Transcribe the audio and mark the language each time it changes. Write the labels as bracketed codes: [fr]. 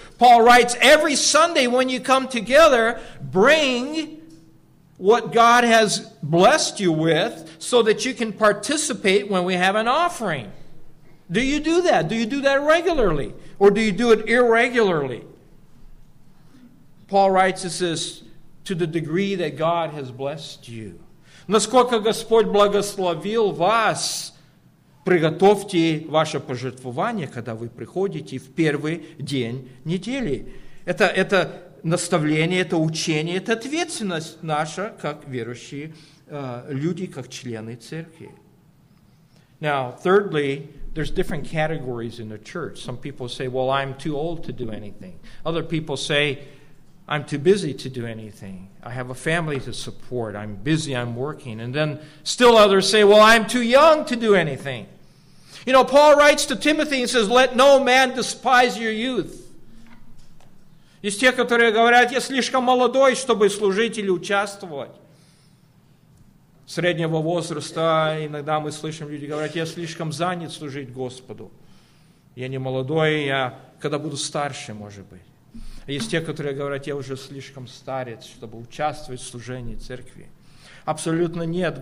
[en] Paul writes, every Sunday when you come together, bring what God has blessed you with so that you can participate when we have an offering. Do you do that? Do you do that regularly? Or do you do it irregularly? Paul writes, it says, to the degree that God has blessed you. [ru] Насколько Господь благословил вас, приготовьте ваше пожертвование, когда вы приходите в первый день недели. Это наставление, это учение, это ответственность наша, как верующие люди, как члены церкви. [en] Now, thirdly, there's different categories in the church. Some people say, well, I'm too old to do anything. Other people say, I'm too busy to do anything. I have a family to support. I'm busy. I'm working. And then still others say, well, I'm too young to do anything. You know, Paul writes to Timothy and says, let no man despise your youth. [ru] Есть те, которые говорят, я слишком молодой, чтобы служить или участвовать. Среднего возраста, иногда мы слышим, люди говорят, я слишком занят служить Господу. Я не молодой, я когда буду старше, может быть. А есть те, которые говорят, я уже слишком старец, чтобы участвовать в служении церкви. Абсолютно нет.